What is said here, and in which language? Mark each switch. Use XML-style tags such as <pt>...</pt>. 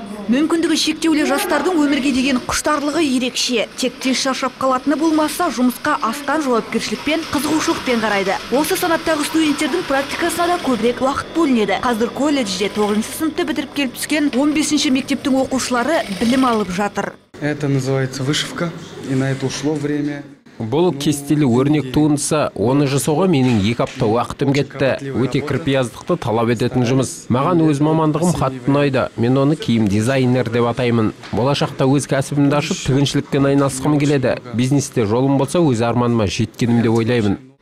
<kk>Мүмкіндігі шектеулі жастардың өмірге деген құштарлығы ерекше. Тек тез шаршап қалатыны болмаса, жұмысқа асқан жауапкершілікпен, қызығушылықпен қарайды. Осы санаттағы студенттердің практикасына да көбірек уақыт бөлінеді. Қазір колледжде 9-шы сыныпты бітіріп келіп түскен 15-ші мектептің оқушылары білім алып жатыр.</kk> <ru>Это называется вышивка, и на это ушло время.</ru> <kk>Бұл кестелі өрнек туындыса, оны жасауға менің 2 апта уақытым кетті. Өте кірпияздықты талап ететін жұмыс. Маған өз мамандығым қатты ұнайды. Мен оны киім дизайнер деп атаймын. Болашақта өз кәсібімді ашып, тігіншілікпен айналысқым келеді. Бизнесте жолым болса, өз арманыма жеткенім деп ойлаймын.</kk>